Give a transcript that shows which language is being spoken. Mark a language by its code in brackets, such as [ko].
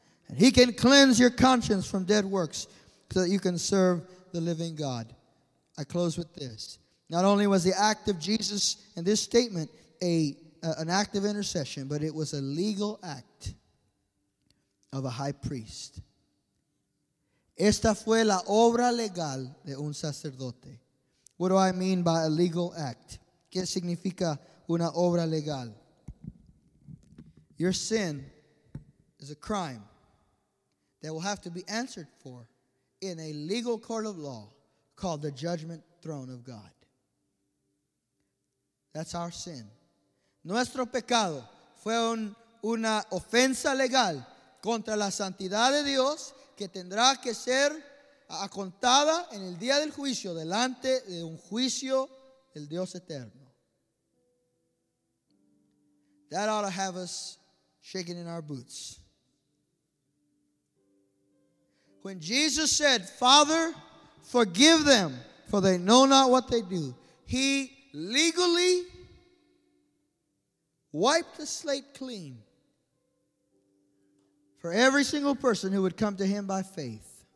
[en] And he can cleanse your conscience from dead works so that you can serve the living God. I close with this. Not only was the act of Jesus in this statement an act of intercession, but it was a legal act of a high priest. [es] Esta fue la obra legal de un sacerdote. [en] What do I mean by a legal act? [es] ¿Qué significa una obra legal? [en] Your sin is a crime that will have to be answered for in a legal court of law called the judgment throne of God. That's our sin. [es] Nuestro pecado fue una ofensa legal contra la santidad de Dios que tendrá que ser acontada en el día del juicio delante de un juicio del Dios eterno. [en] That ought to have us shaking in our boots. When Jesus said, Father, forgive them, for they know not what they do, he legally wiped the slate clean for every single person who would come to him by faith.